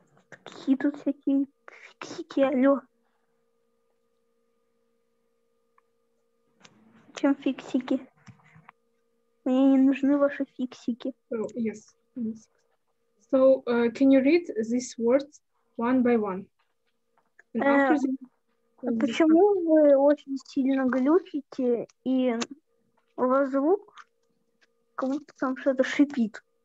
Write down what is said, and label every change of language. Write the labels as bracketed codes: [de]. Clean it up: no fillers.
[ru] Какие тут всякие фиксики, алло. Чем фиксики? Мне не нужны ваши фиксики. [en] Oh, yes. So, can you read these words one by one? [ru] А почему вы очень сильно глючите и у вас звук, как будто там что-то шипит?